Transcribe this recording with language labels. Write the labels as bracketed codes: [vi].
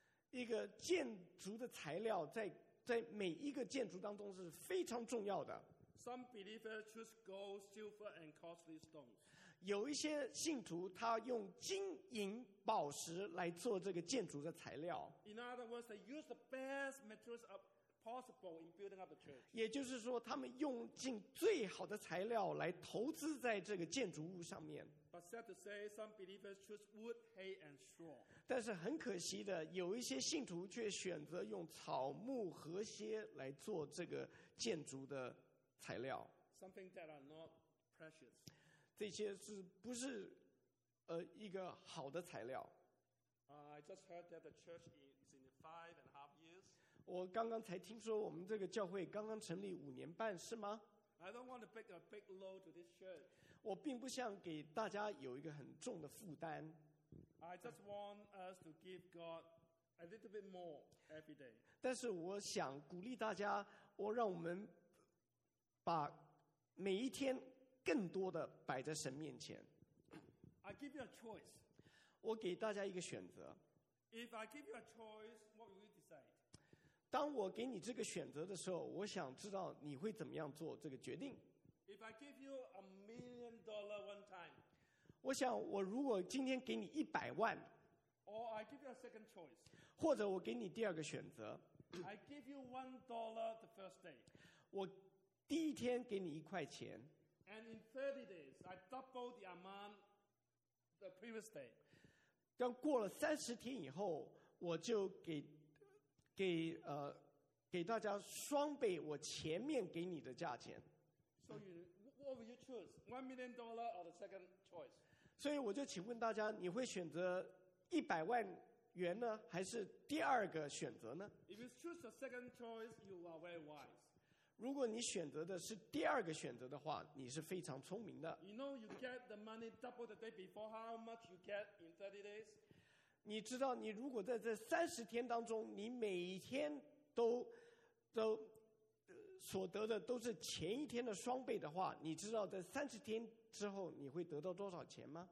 [zh] 一个建筑的材料在每一个建筑当中是非常重要的。 [en] Some believers choose gold, silver, and costly stones. [zh] 有一些信徒他用金银宝石来做这个建筑的材料。 [en] In other words, they use the best materials possible in building up the church. [zh] 也就是说，他们用尽最好的材料来投资在这个建筑物上面。 [en] But sad to say, some believers choose wood, hay, and straw. [zh] 但是很可惜的，有一些信徒却选择用草木河蝎来做这个建筑的材料。 [en] Something that are not precious. [zh] 这些是不是一个好的材料。 [en] I just heard that the church is in 5.5 years. [zh] 我刚刚才听说我们这个教会刚刚成立5年半，是吗？ [en] I don't want to pick a big load to this church. [zh] 我并不想给大家有一个很重的负担。 [en] I just want us to give God a little bit more every day. [zh] 但是我想鼓励大家，我让我们把每一天更多的摆在神面前。 [en] I give you a choice. [zh] 我给大家一个选择。 [en] If I give you a choice, what will you decide? [zh] 当我给你这个选择的时候，我想知道你会怎么样做这个决定。 [en] If I give you $1 million one time, [zh] 我想我如果今天给你100万， [en] or I give you a second choice, [zh] 或者我给你第二个选择。 [en] I give you $1 the first day. [zh] 我第一天给你1块钱， [en] and in 30 days I double the amount the previous day. [zh] 刚过了30天以后，我就给大家双倍我前面给你的价钱。 [en] So you, what will you choose? $1 million or the second choice? [zh] 所以我就请问大家，你会选择100万元呢，还是第二个选择呢？ [en] If you choose the second choice, you are very wise. [zh] 如果你选择的是第二个选择的话，你是非常聪明的。 [en] You know you get the money double the day before. How much you get in 30 days? [zh] 你知道，你如果在这30天当中，你每天都所得的都是前一天的双倍的话，你知道在30天之后你会得到多少钱吗